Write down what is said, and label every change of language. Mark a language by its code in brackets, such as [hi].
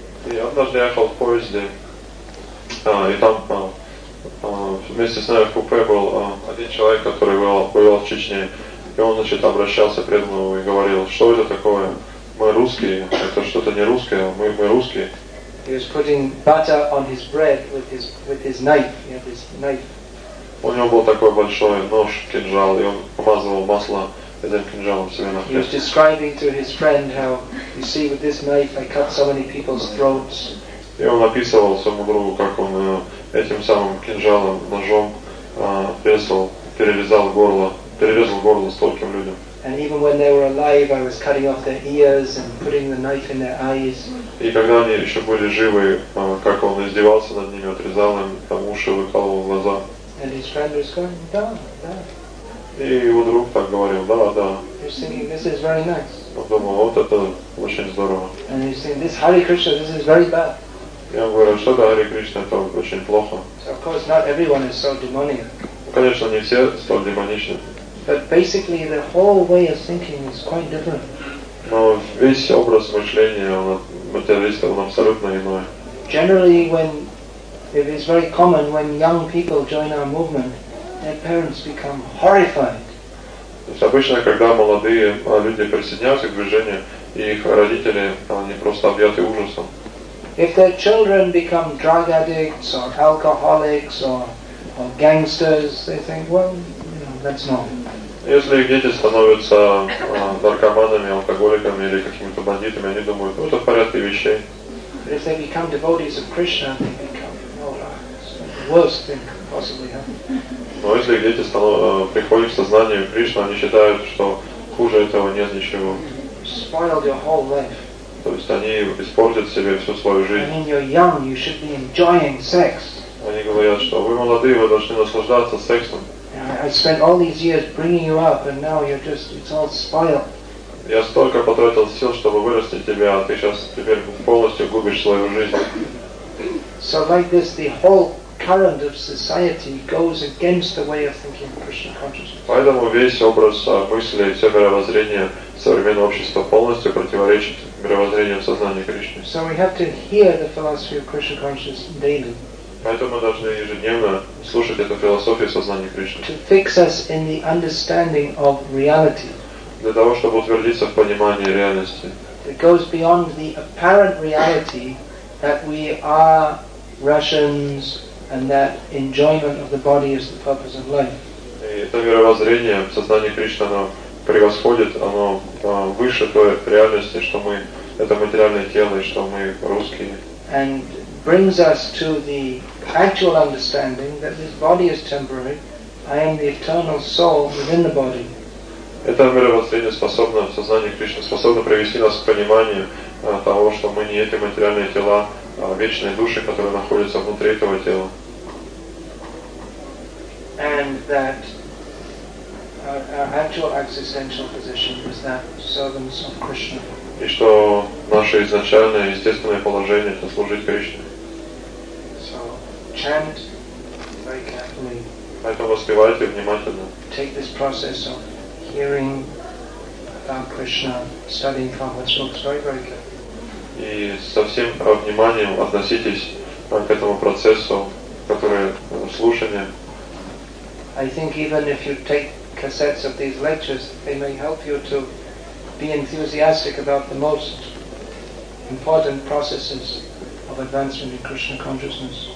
[ru] И однажды я ехал в поезде, и там вместе с нами в купе был один человек, который был в Чечне, и он, значит, обращался преданному и говорил, что это такое, мы русские, это что-то не русское, мы русские. [en] He was putting butter on his bread with his knife, he had his knife. [ru] У него был такой большой нож, кинжал, и он помазывал масло. [en] He was describing to his friend how, you see, with this knife I cut so many people's throats. [ru] И он описывал своему другу, как он этим самым кинжалом, ножом, перерезал горло стольким людям. [en] And even when they were alive, I was cutting off their ears and putting the knife in their eyes. [ru] И когда они еще были живы, как он издевался над ними, отрезал им там уши, выкалывал глаза. [en] And his friend was going, [ru] да, да. И его друг так говорил, да, да. [en] Thinking, nice. [ru] Он думал, вот это очень здорово. [en] And he's saying, this Hare Krishna, this is very bad. [ru] Я говорю, что это Харе Кришна, это очень плохо. [en] So of course not everyone is so demonic. [ru] Конечно, не все столь демоничны. [en] But basically the whole way of thinking is quite different. [ru] Но весь образ мышления у материалистов он абсолютно иной. [en] Generally, when it is very common when young people join our movement, their parents become horrified. [ru] То есть обычно, когда молодые люди присоединяются к движению, их родители они просто объяты ужасом. [en] If their children become drug addicts or alcoholics or gangsters, they think, well, you know, that's normal. [ru] Если их дети становятся наркоманами, алкоголиками или какими-то бандитами, они думают, ну это в порядке вещей. [en] But if they become devotees of Krishna, they become, the worst thing could possibly happen. [ru] Но если их дети приходят к сознанию Кришны, они считают, что хуже этого нет ничего. [en] Spoiled your whole life. [ru] То есть они испортят себе всю свою жизнь. [en] I mean, you're young, you should be enjoying sex. [ru] Они говорят, что вы молодые, вы должны наслаждаться сексом. [en] I spent all these years bringing you up, and now you're just—it's all spoiled. [ru] Я столько потратил сил, чтобы вырастить тебя, а ты сейчас теперь полностью губишь свою жизнь. [en] So like this, the whole current of society goes against the way of thinking of Krishna consciousness. [ru] Поэтому весь образ мысли, все мировоззрение современного общества полностью противоречит мировоззрению сознания Кришны. [en] So we have to hear the philosophy of Krishna consciousness daily. [ru] Поэтому мы должны ежедневно слушать эту философию сознания Кришны. [en] To fix us in the understanding of reality. [ru] Для того, чтобы утвердиться в понимании реальности. [en] It goes beyond the apparent reality that we are Russians and that enjoyment of the body is the purpose of life. [ru] И это мировоззрение в сознании Кришны, оно превосходит, оно выше той реальности, что мы это материальное тело и что мы русские. [en] And brings us to the actual understanding that this body is temporary. I am the eternal soul within the body. [ru] Это мировоззрение способно, сознание Кришны способно привести нас к пониманию того, что мы не эти материальные тела, а вечные души, которые находятся внутри этого тела. [en] And that our actual existential position is that servants of Krishna. [ru] И что наше изначальное естественное положение это служить Кришне. [en] So chant very carefully. [ru] Поэтому воспевайте внимательно. [en] Take this process of hearing about Krishna, studying Prabhupada's books very, very carefully. [ru] И со всем вниманием относитесь к этому процессу, который слушание. [en] I think even if you take cassettes of these lectures, they may help you to be enthusiastic about the most important processes of advancement in Krishna consciousness.